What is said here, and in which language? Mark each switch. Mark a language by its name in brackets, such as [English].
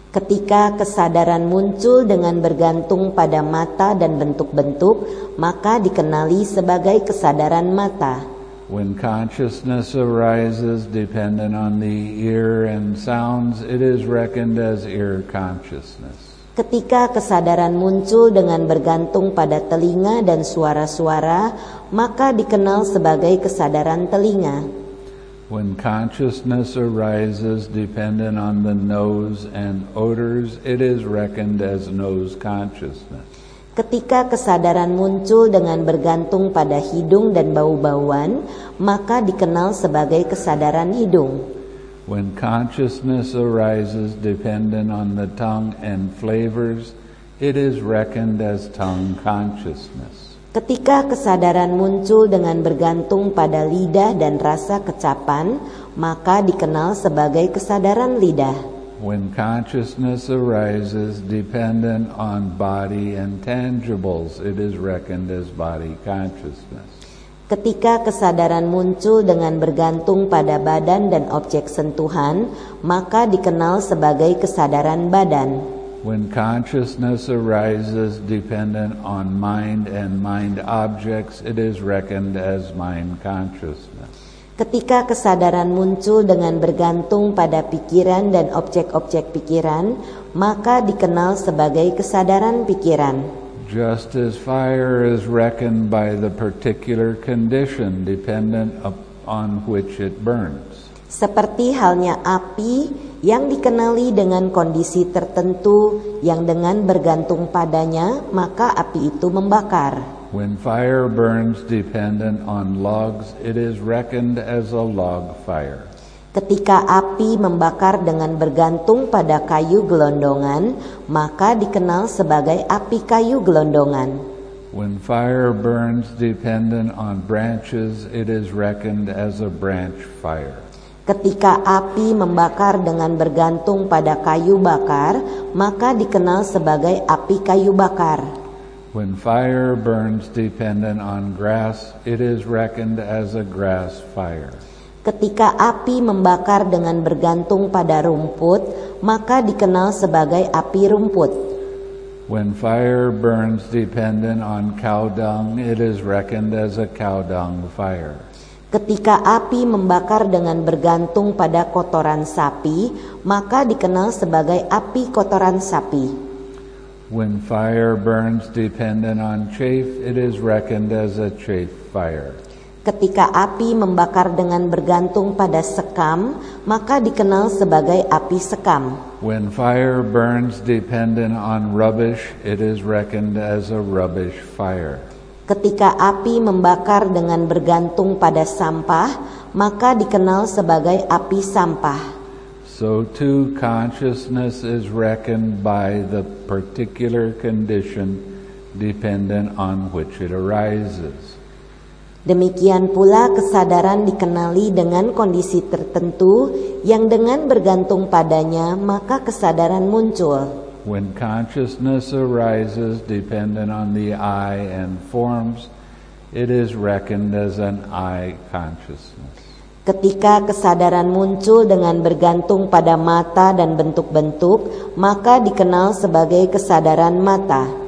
[Indonesian] Ketika kesadaran muncul dengan bergantung pada mata dan bentuk-bentuk, maka dikenali sebagai kesadaran mata. [English] When consciousness arises dependent on the ear and sounds, it is reckoned as ear consciousness. [Indonesian] Ketika kesadaran muncul dengan bergantung pada telinga dan suara-suara, maka dikenal sebagai kesadaran telinga. [English] When consciousness arises dependent on the nose and odors, it is reckoned as nose consciousness. [Indonesian] Ketika kesadaran muncul dengan bergantung pada hidung dan bau-bauan, maka dikenal sebagai kesadaran hidung. [English] When consciousness arises dependent on the tongue and flavors, it is reckoned as tongue consciousness. [Indonesian] Ketika kesadaran muncul dengan bergantung pada lidah dan rasa kecapan, maka dikenal sebagai kesadaran lidah. [English] When consciousness arises dependent on body and tangibles, it is reckoned as body consciousness. [Indonesian] Ketika kesadaran muncul dengan bergantung pada badan dan objek sentuhan, maka dikenal sebagai kesadaran badan. [English] When consciousness arises dependent on mind and mind objects, it is reckoned as mind consciousness. [Indonesian] Ketika kesadaran muncul dengan bergantung pada pikiran dan objek-objek pikiran, maka dikenal sebagai kesadaran pikiran. [English] Just as fire is reckoned by the particular condition dependent upon which it burns. [Indonesian] Seperti halnya api yang dikenali dengan kondisi tertentu yang dengan bergantung padanya maka api itu membakar. [English] When fire burns dependent on logs, it is reckoned as a log fire. [Indonesian] Ketika api membakar dengan bergantung pada kayu gelondongan, maka dikenal sebagai api kayu gelondongan. [English] When fire burns dependent on branches, it is reckoned as a branch fire. [Indonesian] Ketika api membakar dengan bergantung pada kayu bakar, maka dikenal sebagai api kayu bakar. [English] When fire burns dependent on grass, it is reckoned as a grass fire. [Indonesian] Ketika api membakar dengan bergantung pada rumput, maka dikenal sebagai api rumput. [English] When fire burns dependent on cow dung, it is reckoned as a cow dung fire. [Indonesian] Ketika api membakar dengan bergantung pada kotoran sapi, maka dikenal sebagai api kotoran sapi. [English] When fire burns dependent on chaff, it is reckoned as a chaff fire. [Indonesian] Ketika api membakar dengan bergantung pada sekam, maka dikenal sebagai api sekam. [English] When fire burns dependent on rubbish, it is reckoned as a rubbish fire. [Indonesian] Ketika api membakar dengan bergantung pada sampah, maka dikenal sebagai api sampah. [English] So too, consciousness is reckoned by the particular condition dependent on which it arises. [Indonesian] Demikian pula kesadaran dikenali dengan kondisi tertentu yang dengan bergantung padanya maka kesadaran muncul. [English] When consciousness arises dependent on the eye and forms, it is reckoned as an eye consciousness. [Indonesian] Ketika kesadaran muncul dengan bergantung pada mata dan bentuk-bentuk, maka dikenal sebagai kesadaran mata.